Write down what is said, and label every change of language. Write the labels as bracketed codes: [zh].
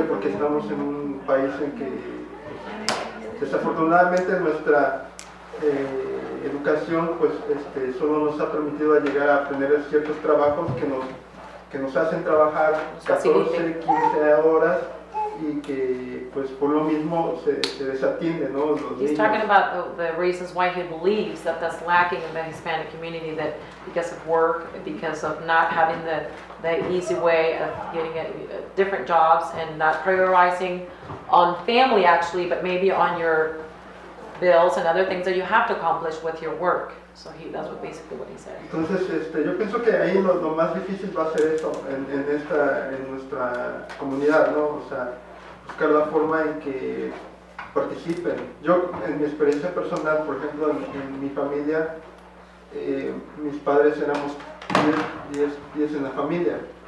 [es] Porque estamos en un país en que desafortunadamente nuestra educación pues solo nos ha permitido llegar a aprender ciertos trabajos que nos hacen trabajar 14, 15 horas y que pues por lo mismo se desatiende, ¿no? [en] He's [es] niños. [en] Talking about the reasons why he believes that's lacking in the Hispanic community, that because of work, because of not having the easy way of getting different jobs and not prioritizing on family actually, but maybe on your bills and other things that you have to accomplish with your work. So he, that's what basically what he said. [es] Entonces, yo pienso que ahí lo más difícil va a ser eso en nuestra comunidad, ¿no? O sea, buscar la forma en que participen. Yo, en mi experiencia personal, por ejemplo, en mi familia, mis padres éramos 10 en la familia.